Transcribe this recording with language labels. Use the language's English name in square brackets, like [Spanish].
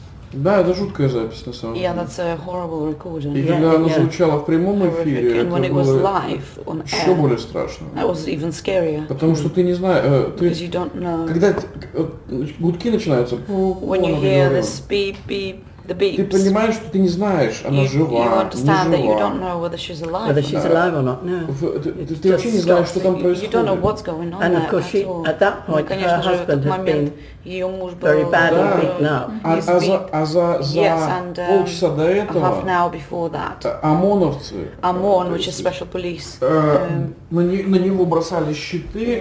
[Russian] Да, это жуткая запись на самом деле. [English] Yeah, that's a horrible recording. [Russian] И когда она звучала в прямом эфире, это было еще более страшно. [English] That was even scarier. [Russian] Потому что ты не знаешь, ты когда гудки начинаются, [English] when you hear this beep beep, the beeps. [Russian] Ты понимаешь, что ты не знаешь, она жива, не жива. [English] You understand that you don't know whether she's alive. Whether she's alive or not. [Russian] No. Ты вообще не знаешь, что там происходит. [English] You don't know what's going on. And of course, she at that point, her husband had been very badly beaten up. Yes, and half an hour before that, [Russian] ОМОН, [English] which is special police, [Russian] на него бросали щиты,